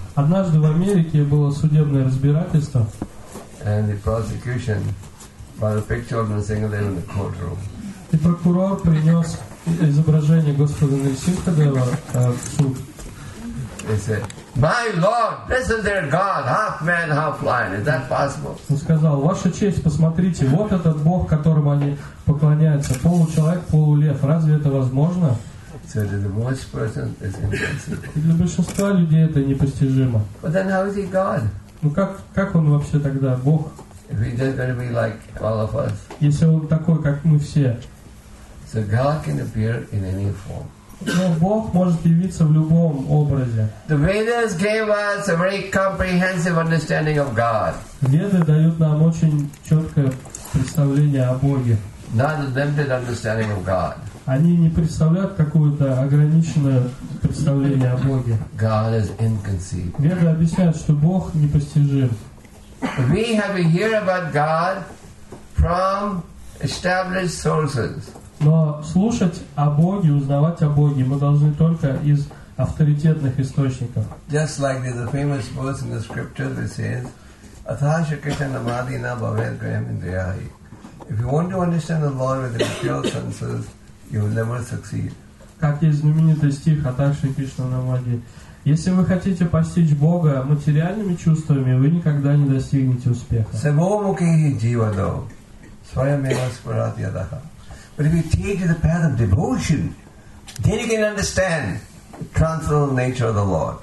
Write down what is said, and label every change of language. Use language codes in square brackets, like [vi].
[ru] Однажды в Америке было судебное разбирательство. [en] And the prosecution brought a picture of Нарисимхадева in the courtroom. [ru] И прокурор принес изображение Господа Нарисимхадева в суд. [en] They said, "My Lord, this is their God, half man, half lion. Is that possible?" [ru] Он сказал, "Ваша честь, посмотрите, вот этот Бог, которому они поклоняются, получеловек, полулев. Разве это возможно?" [en] So to the most person, it's impossible. [ru] Для большинства людей это непостижимо. [en] But then, how is He God? [ru] Ну как он вообще тогда Бог? [en] If He's just going to be like all of us. [ru] Если он такой, как мы все. [en] So God can appear in any form. [ru] Но Бог может явиться в любом образе. [en] The Vedas gave us a very comprehensive understanding of God. [ru] Веды дают нам очень четкое представление о Боге. [en] Not a limited understanding of God. [ru] Они не представляют какое-то ограниченное представление о Боге. [en] God is inconceivable. [ru] Веды объясняют, что Бог непостижим. [en] We have to hear about God from established sources. [ru] Но слушать о Боге, узнавать о Боге, мы должны только из авторитетных источников. [en] Just like there's a famous verse in the scripture that says, [sa] "Athasha Krishna Madhi Na Bhavet Graham Indriyahi." [en] If you want to understand the Lord with the pure senses, you will never succeed. [ru] Как есть знаменитый стих [sa] Атакши Кришна Намади. [ru] Если вы хотите постичь Бога материальными чувствами, вы никогда не достигнете успеха. [sa] Самомукхи Дживадо, Сваямева Спарат Ядаха. [en] But if you take the path of devotion, then you can understand the transcendental nature of the Lord.